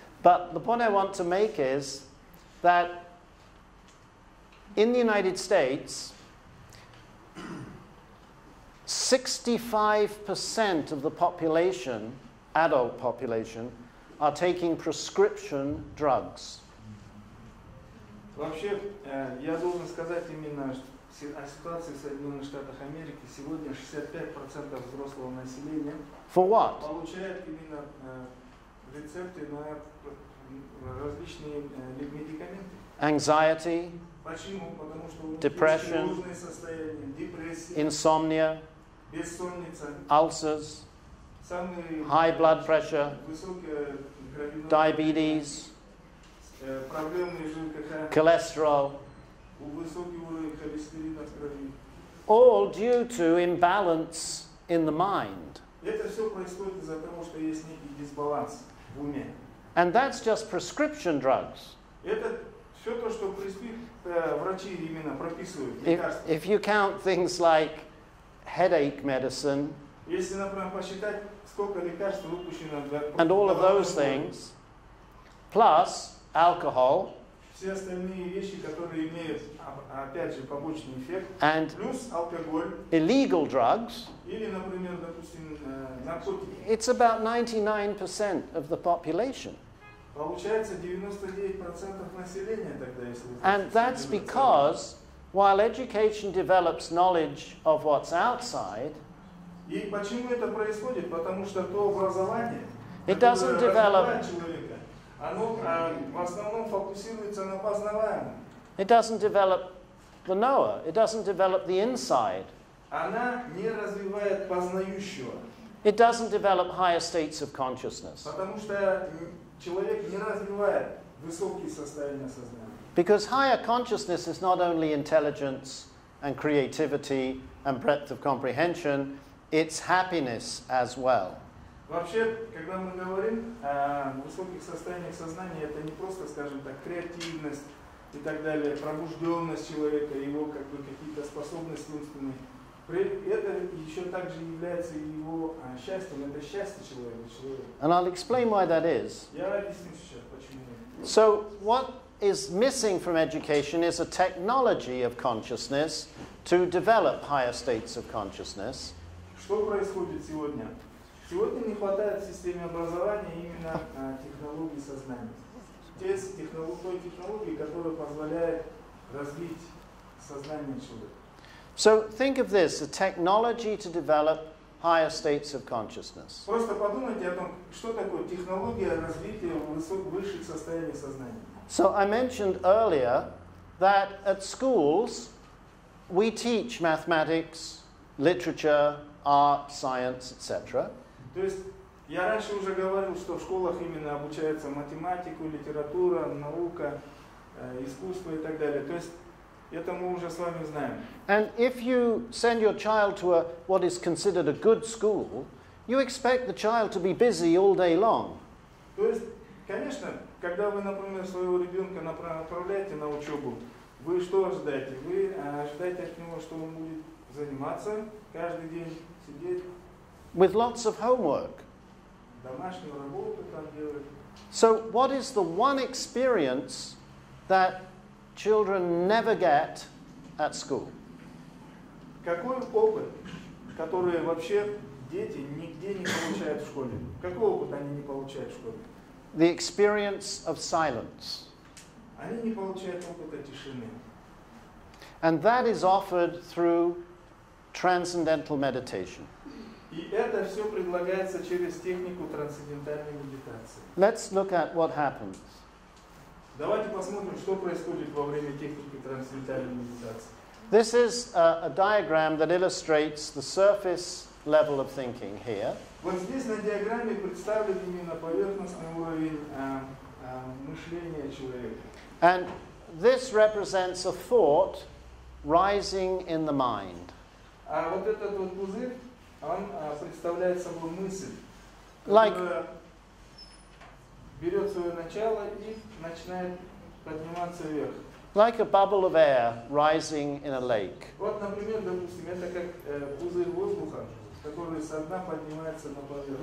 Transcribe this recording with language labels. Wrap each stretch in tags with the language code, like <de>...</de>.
<en>But the point I want to make is that in the United States, 65% of the population, adult population, are taking prescription drugs.</en> <ru>Вообще, я должен сказать именно о ситуации в Соединенных Штатах Америки. Сегодня 65% взрослого населения получает именно рецепты на различные медикаменты.</ru> <en>Anxiety.</en> <ru>Почему? Потому что у них</ru> <en>depression,</en> <ru>есть тревожные состояния, депрессия,</ru> <en>insomnia,</en> <ru>бессонница,</ru> <en>ulcers,</en> <ru>самые</ru> <en>high blood pressure,</en> <ru>высокая кровяное,</ru> <en>diabetes,</en> <ru>проблемы ЖКХ,</ru> <en>cholesterol,</en> <ru>высокий уровень холестерина в крови.</ru> <en>All due to imbalance in the mind.</en> <ru>Это все происходит из-за того, что есть некий дисбаланс в уме.</ru> <en>And that's just prescription drugs.</en> <ru>Это все то, что врачи именно прописывают лекарства.</ru> <en>If you count things like headache medicine,</en> <ru>если, например, посчитать, сколько лекарств выпущено для</ru> <en>проблем, and all of those things, plus alcohol,</en> <ru>все остальные вещи, которые имеют, опять же, побочный эффект,</ru> <en>and</en> <ru>плюс алкоголь,</ru> <en>illegal drugs,</en> <ru>или, например, допустим, наркотики,</ru> <en>it's about 99% of the population.</en> <ru>Получается 99% населения тогда, если</ru> <en>And that's because while education develops knowledge of what's outside,</en> <ru>и почему это происходит? Потому что то образование,</ru> <en>it doesn't develop,</en> <ru>оно в основном фокусируется на познаваемом.</ru> <en>It doesn't develop the knower. It doesn't develop the inside.</en> <ru>Она не развивает познающего.</ru> <en>It doesn't develop higher states of consciousness.</en> <ru>Потому что человек не развивает высокие состояния сознания.</ru> <en>Because higher consciousness is not only intelligence and creativity and breadth of comprehension, it's happiness as well.</en> <ru>Вообще, когда мы говорим о высоких состояниях сознания, это не просто, скажем так, креативность и так далее, пробужденность человека, его как бы какие-то способности умственные. Это еще также является его счастьем, это счастье человека.</ru> <en>And I'll explain why that is.</en> <ru>Я объясню сейчас, почему.</ru> <en>So what is missing from education is a technology of consciousness to develop higher states of consciousness.</en> <ru>Что происходит сегодня? Сегодня не хватает в системе образования именно технологии сознания. Той технологии, которая позволяет развить сознание человека.</ru> <en>So think of this, a technology to develop higher states of consciousness.</en> <ru>Просто подумайте о том, что такое технология развития высших состояний сознания.</ru> <en>So I mentioned earlier that at schools we teach mathematics, literature, art, science, etc.</en> <ru>То есть я раньше уже говорил, что в школах именно обучается математику, литература, наука, искусство и так далее. То есть это мы уже с вами знаем.</ru> <en>And if you send your child to a what is considered a good school, you expect the child to be busy all day long.</en> <ru>То есть, конечно, когда вы, например, своего ребенка направляете на учебу, вы что ожидаете? Вы ожидаете от него, что он будет заниматься каждый день, сидеть?</ru> <en>With lots of homework.</en> <ru>Домашнюю работу там делать.</ru> <en>So what is the one experience that children never get at school?</en> <ru>Какой опыт, который вообще дети нигде не получают в школе? Какой опыт они не получают в школе?</ru> <en>The experience of silence.</en> <ru>Они не получают опыта тишины.</ru> <en>And that is offered through transcendental meditation.</en> <ru>И это все предлагается через технику трансцендентальной медитации.</ru> <en>Let's look at what happens.</en> <ru>Давайте посмотрим, что происходит во время техники трансцендентальной медитации.</ru> <en>This is a diagram that illustrates the surface level of thinking here.</en> <ru>Вот здесь на диаграмме представлен именно поверхностный уровень мышления человека.</ru> <en>And this represents a thought rising in the mind.</en> <ru>А вот этот вот пузырь, он представляет собой мысль, like, берет свое начало и начинает подниматься вверх.</ru> <en>Like a bubble of air rising in a lake.</en> <ru>Вот, например, допустим, это как пузырь воздуха, который со дна поднимается на поверхность.</ru>